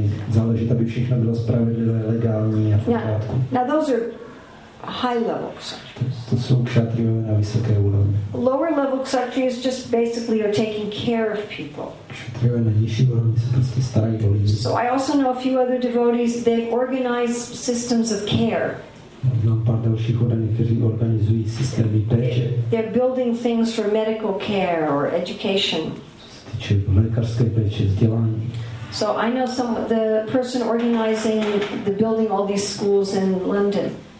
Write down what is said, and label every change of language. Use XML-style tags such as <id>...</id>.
<cs>Záležit, aby všechno bylo spravedlivé, legální a v pořádku.</cs> <en>Now those are high level kshatriyas.</en> <cs>To jsou kšatriové na vysoké úrovni.</cs> <en>Lower level kshatriyas just basically are taking care of people.</en> <cs>Kšatriové na nižší úrovni se prostě starají o lidi.</cs> <en>So I also know a few other devotees, they've organized systems of care.</en> <cs>Mám pár dalších oddaných, kteří organizují systémy péče.</cs> <en>They're building things for medical care or education.</en> <cs>Co se týče lékařské péče, vzdělání.</cs> <en>So I know some of the person organizing the building all these schools in London.</en>